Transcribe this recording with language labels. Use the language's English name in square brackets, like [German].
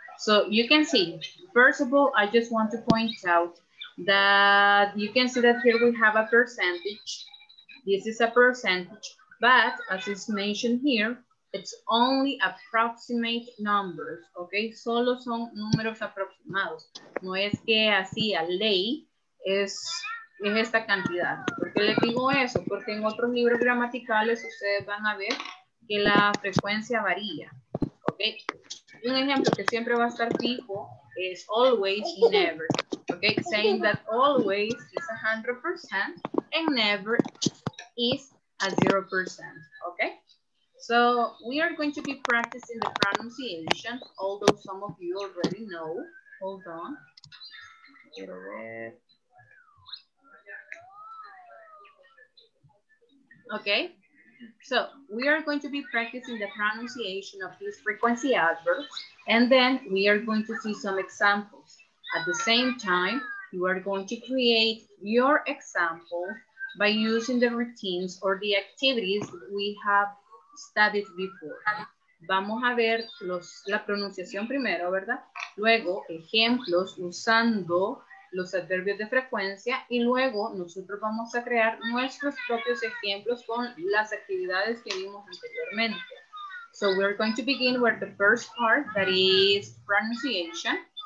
[English] So you can see, first of all, I just want to point out that you can see that here we have a percentage. This is a percentage, but as is mentioned here, it's only approximate numbers, okay? [Spanish] Solo son números aproximados. No es que así a ley es esta cantidad. ¿Por qué les digo eso? Porque en otros libros gramaticales ustedes van a ver que la frecuencia varía, okay? Un ejemplo que siempre va a estar fijo es always y never, okay? [English] Saying that always is 100% and never is a 0%, okay? So we are going to be practicing the pronunciation, although some of you already know. Hold on. Okay, so we are going to be practicing the pronunciation of these frequency adverbs, and then we are going to see some examples. At the same time, you are going to create your example by using the routines or the activities we have studied before. [Spanish] Vamos a ver la pronunciación primero, ¿verdad? Luego, ejemplos usando los adverbios de frecuencia y luego nosotros vamos a crear nuestros propios ejemplos con las actividades que vimos anteriormente. [English] So we're going to begin with the first part, that is pronunciation.